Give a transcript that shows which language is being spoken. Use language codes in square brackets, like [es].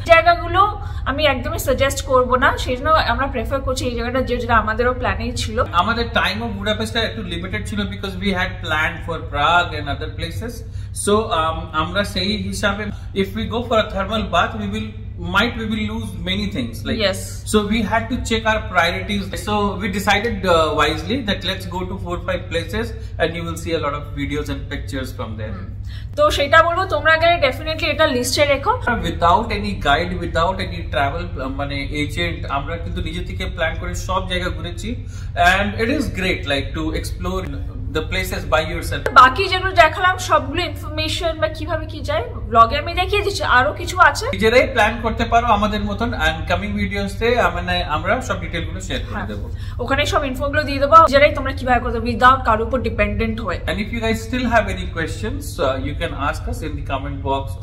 [bn] জায়গাগুলো আমি একদমই সাজেস্ট করবো না, সেই জন্য আমরা প্রেফার করছি এই জায়গাটা, যে জায়গা আমাদেরও প্ল্যানে ছিল। আমাদের টাইম অফ বুডাপেস্টটা একটু লিমিটেড ছিল, [en] Because we had plan for Prague and other places. So [bn] আমরা সেই হিসাবে [en] If we go for a thermal bath we will might we will lose many things, like yes, so we had to check our priorities, so we decided wisely that let's go to 4-5 places and you will see a lot of videos and pictures from there. [bn] To seta bolbo tumra gele definitely eta list e rekho, [en] without any guide, without any travel mane agent, [bn] amra kintu nije theke plan kore sob jayga ghurechi [en] and it is great like to explore the places by yourself. [bn] বাকি যেগুলো দেখালাম সবগুলো information বা কিভাবে কি যায় ব্লগে আমি দেখিয়ে দিচ্ছি, আরো কিছু আছে, নিজেরাই প্ল্যান করতে পারো আমাদের মতন, এন্ড কামিং ভিডিওসে মানে আমরা সব ডিটেইল গুলো শেয়ার করে দেব, ওখানে সব ইনফো গুলো দিয়ে দেব, যারাই তোমরা কিভাবে করবে উইদাউট কারোর উপর ডিপেন্ডেন্ট হয়ে। [en] and if you guys still have any questions you can ask us in the comment box